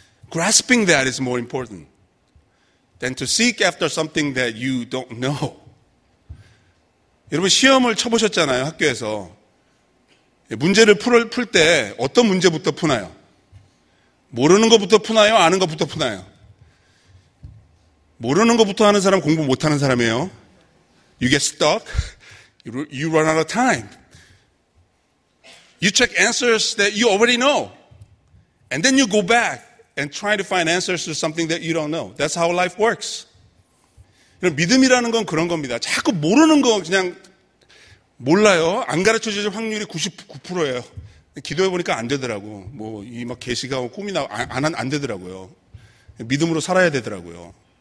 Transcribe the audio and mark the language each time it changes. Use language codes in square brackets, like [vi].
[en] Grasping that is more important than to seek after something that you don't know. [ko] 여러분 시험을 쳐보셨잖아요, 학교에서. 문제를 풀 때 어떤 문제부터 푸나요? 모르는 것부터 푸나요? 아는 것부터 푸나요? 모르는 것부터 하는 사람 공부 못하는 사람이에요. [en] You get stuck. You run out of time. You check answers that you already know. And then you go back and try to find answers to something that you don't know. That's how life works. [ko] 믿음이라는 건 그런 겁니다. 자꾸 모르는 거 그냥 몰라요. 안 가르쳐줄 확률이 99%예요. 기도해보니까 안 되더라고. 뭐 이 막 계시가 꿈이나 안 되더라고요. 믿음으로 살아야 되더라고요.